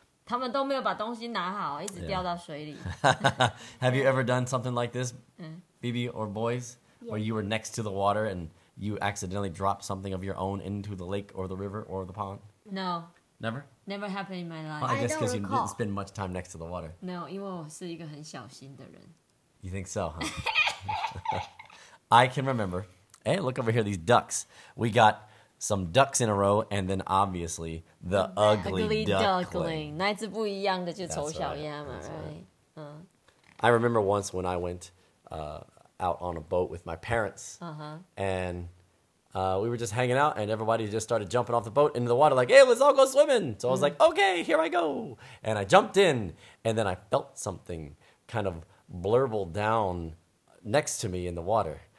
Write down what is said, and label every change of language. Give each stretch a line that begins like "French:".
Chinese: 他们都没有把东西拿好，一直掉到水里。
English: Have you ever done something like this? Phoebe or boys, where you were next to the water and you accidentally dropped something of your own into the lake or the river or the pond? No. Never? Never happened in my life. Well, I guess because you didn't spend much time next to the water.
Chinese: No, 因为我是一个很小心的人。
English: You think so, huh? I can remember. Hey, look over here, these ducks. We got some ducks in a row and then obviously the ugly duckling.
Chinese: 那一只不一样的就丑小鸭嘛, right?
English: I remember once when I went... out on a boat with my parents. And we were just hanging out and everybody just started jumping off the boat into the water like, hey, let's all go swimming. So I was like, okay, here I go. And I jumped in and then I felt something kind of blurble down next to me in the water.